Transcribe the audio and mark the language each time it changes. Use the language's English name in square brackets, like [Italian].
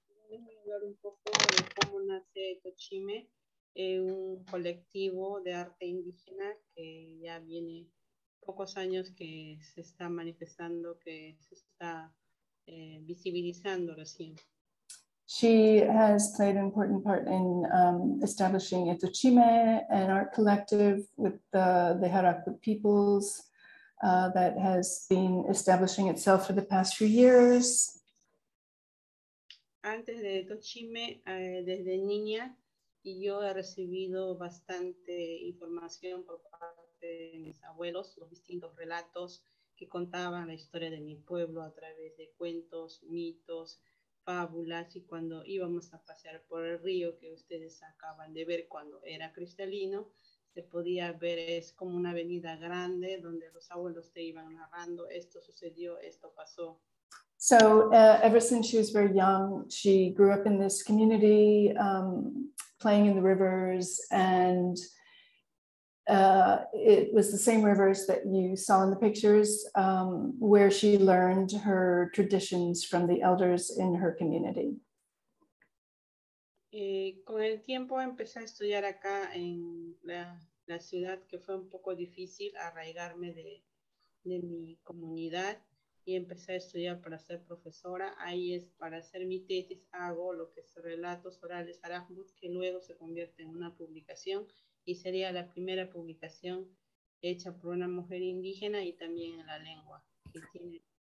[Spanish] Vamos a hablar un poco de cómo nace Tochime, un colectivo de arte indígena que ya viene pocos años que se está manifestando, que se está visibilizando recién. [English] She has played an important part in establishing Etochime, an art collective with the Jarapu peoples that has been establishing itself for the past few years. [Spanish] Antes de Etochime, desde niña, yo he recibido bastante información por parte de mis abuelos, los distintos relatos que contaban la historia de mi pueblo a través de cuentos, mitos, fábulas, y cuando íbamos a pasear por el río que ustedes acaban de ver cuando era cristalino, se podía ver, es como una avenida grande donde los abuelos te iban narrando, esto sucedió, esto pasó. [English] So ever since she was very young, she grew up in this community, playing in the rivers, and it was the same rivers that you saw in the pictures, where she learned her traditions from the elders in her community. [Spanish] Con el tiempo empecé a estudiar acá en la ciudad, que fue un poco difícil arraigarme de mi comunidad, y empecé a estudiar para ser profesora. Ahí es para hacer mi tesis, hago lo que es relatos orales Arajmut, que luego se convierte en una publicación y sería la primera publicación hecha por una mujer indígena y también en la lengua que tiene.